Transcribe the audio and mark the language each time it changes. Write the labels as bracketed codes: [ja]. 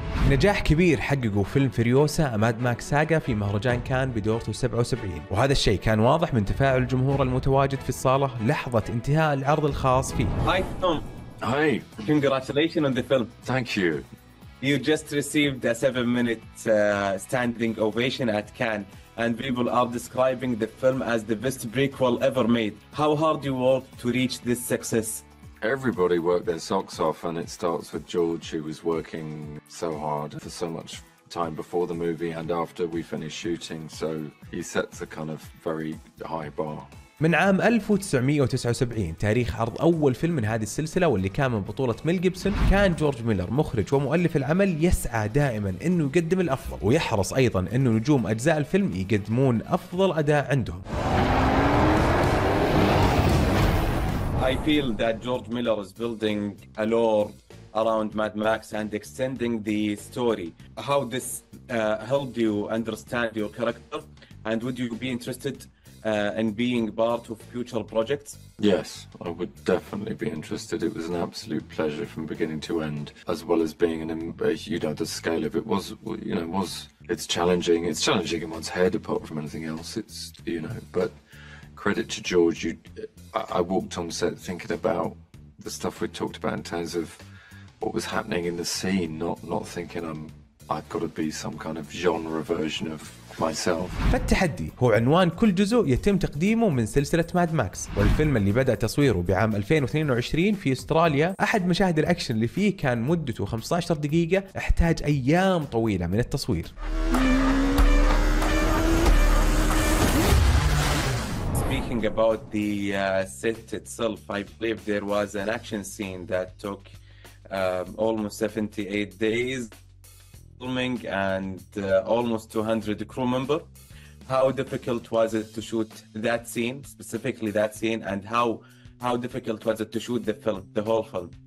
[ar] نجاح كبير حققه فيلم فريوسا أماد ماكس ساغا في مهرجان كان بدورته 77، وهذا الشيء كان واضح من تفاعل الجمهور المتواجد في الصالة لحظة انتهاء العرض الخاص فيه. [en] Hi Tom. Hi, congratulations on the film. Thank you. You just received a 7-minute standing ovation at Cannes, and people are describing the film as the best prequel ever made. How hard you worked to reach this success? Everybody worked their socks off, and it starts with George, who was working so hard for so much time before the movie and after we finished shooting, so he sets a kind of very high bar. [ar] من عام 1979 تاريخ عرض أول فيلم من هذه السلسلة واللي كان من بطولة ميل جيبسون، كان جورج ميلر مخرج ومؤلف العمل يسعى دائما أنه يقدم الأفضل، ويحرص أيضا أنه نجوم أجزاء الفيلم يقدمون أفضل أداء عندهم. [en] I feel that George Miller is building a lore around Mad Max and extending the story. How this helped you understand your character, and would you be interested in being part of future projects? Yes, I would definitely be interested. It was an absolute pleasure from beginning to end, as well as being in the scale of it was, it's challenging. It's challenging in one's head, apart from anything else. It's, but credit to George. I walked on set thinking about the stuff we talked about in terms of what was happening in the scene, not thinking I've got to be some kind of genre version of myself. [ar] فالتحدي هو عنوان كل جزء يتم تقديمه من سلسلة ماد ماكس، والفيلم اللي بدأ تصويره بعام 2022 في استراليا، أحد مشاهد الأكشن اللي فيه كان مدته 15 دقيقة، احتاج أيام طويلة من التصوير. [en] Speaking about the set itself, I believe there was an action scene that took almost 78 days. Filming and almost 200 crew member. How difficult was it to shoot that scene, specifically that scene, and how difficult was it to shoot the film, the whole film?